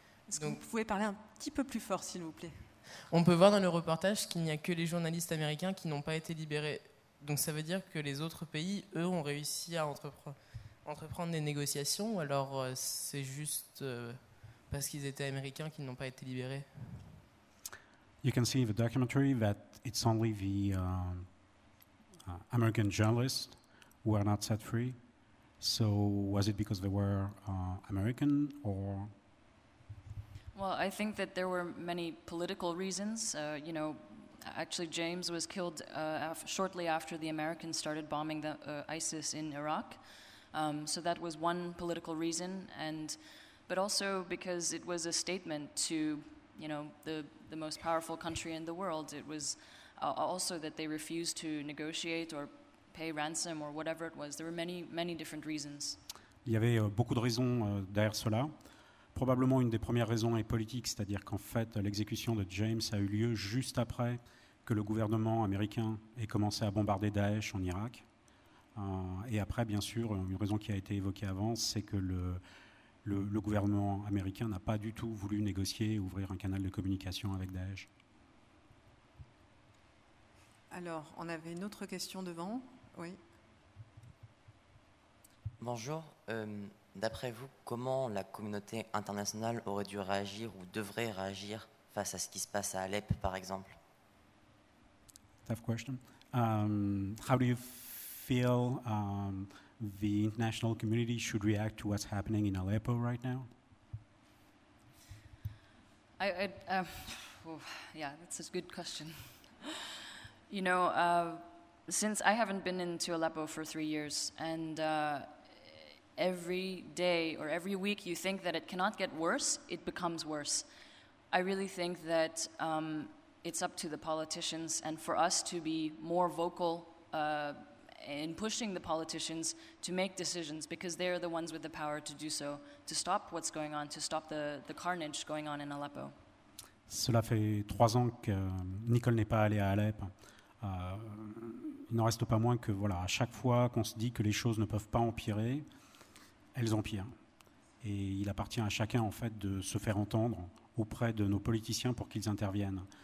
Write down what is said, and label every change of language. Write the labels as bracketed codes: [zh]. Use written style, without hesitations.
[fr] Est-ce que vous pouvez parler un petit peu plus fort, s'il vous plaît ? On peut voir dans le reportage qu'il n'y a que les journalistes américains qui n'ont pas été libérés. Donc, ça veut dire que les autres pays, eux, ont réussi à entreprendre des négociations, ou alors c'est juste parce qu'ils étaient américains qu'ils n'ont pas été libérés? [en] You can see in the documentary that it's only the American journalists who are not set free. So was it because they were American or? Well, I think that there were many political reasons. Actually, James was killed shortly after the Americans started bombing the ISIS in Iraq. So that was one political reason, but also because it was a statement to, you know, the most powerful country in the world. It was also that they refused to negotiate or pay ransom or whatever it was. There were many, many different reasons. [fr] Il y avait beaucoup de raisons derrière cela. Probablement une des premières raisons est politique, c'est-à-dire qu'en fait l'exécution de James a eu lieu juste après que le gouvernement américain ait commencé à bombarder Daesh en Irak. Et après, bien sûr, une raison qui a été évoquée avant, c'est que le gouvernement américain n'a pas du tout voulu négocier, ouvrir un canal de communication avec Daesh. Alors, on avait une autre question devant. Oui. Bonjour. D'après vous, comment la communauté internationale aurait dû réagir ou devrait réagir face à ce qui se passe à Alep, par exemple? [en] Tough question. How do you feel the international community should react to what's happening in Aleppo right now? That's a good question. You know, since I haven't been into Aleppo for 3 years, and every day or every week you think that it cannot get worse, it becomes worse. I really think that it's up to the politicians and for us to be more vocal in pushing the politicians to make decisions, because they are the ones with the power to do so, to stop what's going on, to stop the carnage going on in Aleppo. [fr] Cela fait 3 ans que Nicole n'est pas allée à Alep. Il n'en reste pas moins que, voilà, à chaque fois qu'on se dit que les choses ne peuvent pas empirer, elles empirent. Et il appartient à chacun, en fait, de se faire entendre auprès de nos politiciens pour qu'ils interviennent.